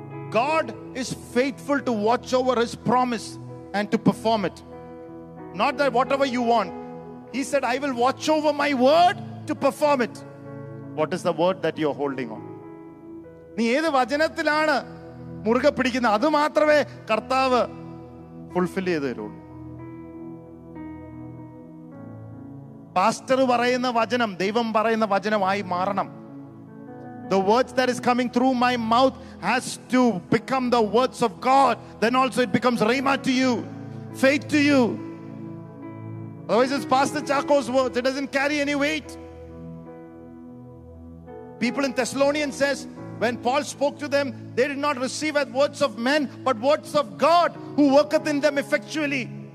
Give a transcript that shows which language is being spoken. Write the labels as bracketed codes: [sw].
[en] God is faithful to watch over His promise and to perform it. Not that whatever you want. He said, I will watch over my word to perform it. What is the word that you're holding on? [ml] നീ ഏത് വചനത്തിലാണ് മുറുകെ പിടിക്കുന്നത് അത് മാത്രമേ കർത്താവ് fulfil ചെയ്ത് തരുള്ളൂ. Pastor പറയുന്ന വചനം ദൈവം പറയുന്ന വചനമായി മാറണം. [en] The words that is coming through my mouth has to become the words of God. Then also it becomes rhema to you, faith to you. Otherwise it's Pastor Chaco's words. It doesn't carry any weight. People in Thessalonians says, when Paul spoke to them, they did not receive as words of men, but words of God who worketh in them effectually.